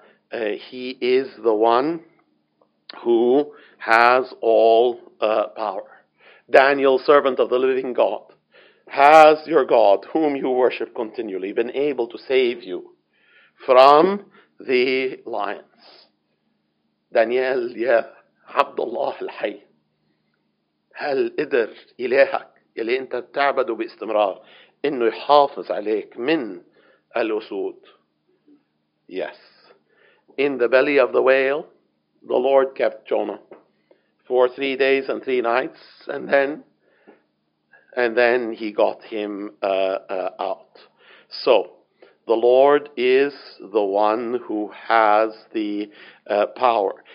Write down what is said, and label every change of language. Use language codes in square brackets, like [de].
[en] He is the one who has all power. Daniel, servant of the living God, has your God, whom you worship continually, been able to save you from the lions? [ar] Daniel, يا عبد الله الحي, هل قدر إلهك اللي أنت تعبده باستمرار إنه يحافظ عليك من الأسود? [en] Yes. In the belly of the whale, the Lord kept Jonah for 3 days and three nights, and then he got him out. So, the Lord is the one who has the power.